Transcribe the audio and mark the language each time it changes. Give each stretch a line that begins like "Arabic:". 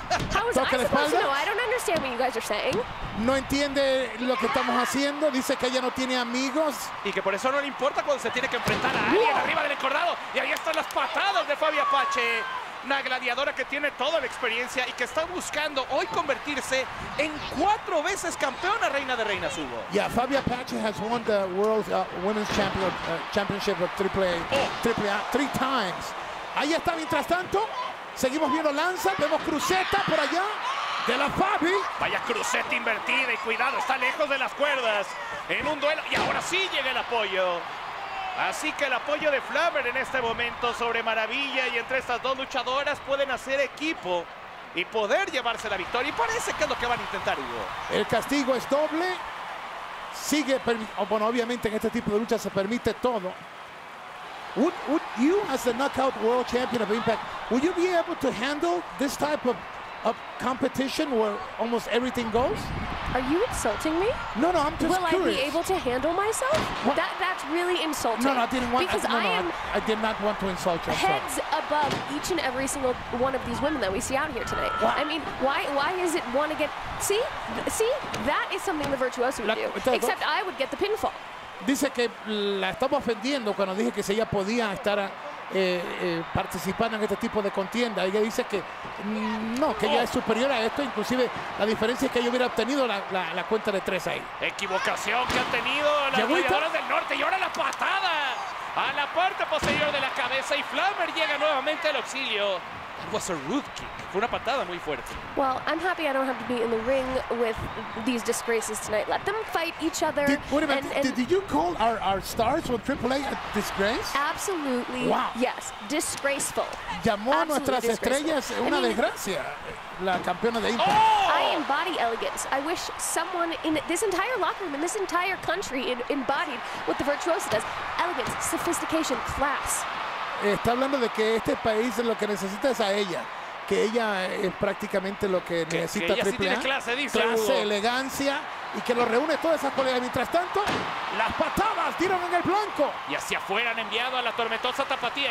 English: How was I supposed to know? I don't understand what you guys are saying.
Spanish: No entiende lo que estamos haciendo. Dice que ella no tiene amigos. Y que por eso no le importa cuando se tiene que enfrentar a alguien arriba del encordado. Y ahí están las patadas de Fabi Apache. Una gladiadora que tiene toda la experiencia y que está buscando hoy convertirse en cuatro veces campeona Reina de Reinas, Hugo.
English: Yeah, Fabi Apache has won the World Women's Championship of AAA three times.
Spanish: Ahí está, mientras tanto. Seguimos viendo Lanza, vemos cruceta por allá de la Fabi. Vaya cruceta invertida y cuidado, está lejos de las cuerdas en un duelo. Y ahora sí llega el apoyo. Así que el apoyo de Flamer en este momento sobre Maravilla y entre estas dos luchadoras pueden hacer equipo y poder llevarse la victoria. Y parece que es lo que van a intentar, Hugo. El castigo es doble. Sigue, bueno, obviamente en este tipo de lucha se permite todo.
English: Would you, as the Knockout World Champion of Impact, would you be able to handle this type of competition where almost everything goes? Are you insulting me? No, no, I'm just will curious. Will I be able to handle myself? What? That's really insulting. No, no, I didn't want because I did not want to insult you. I'm sorry. Above each and every single one of these women that we see out here tonight. Wow. I mean, why is it one again? See, that is something the Virtuoso would do. Except I would get the pinfall.
Spanish: Dice que la estaba ofendiendo cuando dije que si ella podía estar participando en este tipo de contienda. Ella dice que no, que ella es superior a esto. Inclusive la diferencia es que ella hubiera obtenido la cuenta de tres ahí. Equivocación que ha tenido las jugadoras del norte. Y ahora la patada a la parte posterior de la cabeza. Y Flamer llega nuevamente al auxilio.
English: Was a rude kick.
Spanish: Fue una patada muy fuerte.
English: Well, I'm happy I don't have to be in the ring with these disgraces tonight. Let them fight each other. Did you call our stars from AAA a disgrace? Absolutely. Wow. Yes, disgraceful.
Spanish: Llamó a nuestras estrellas una desgracia. La campeona de Impact.
English: I embody elegance. I wish someone in this entire locker room, in this entire country, embodied what the Virtuoso does. Elegance, sophistication, class.
Spanish: Está hablando de que este país lo que necesita es a ella. Que ella es prácticamente lo que necesita que ella AAA. Sí tiene clase, dice. Clase, elegancia. Y que lo reúne todas esas colegas. Mientras tanto, las patadas tiran en el blanco. Y hacia afuera han enviado a la tormentosa tapatía.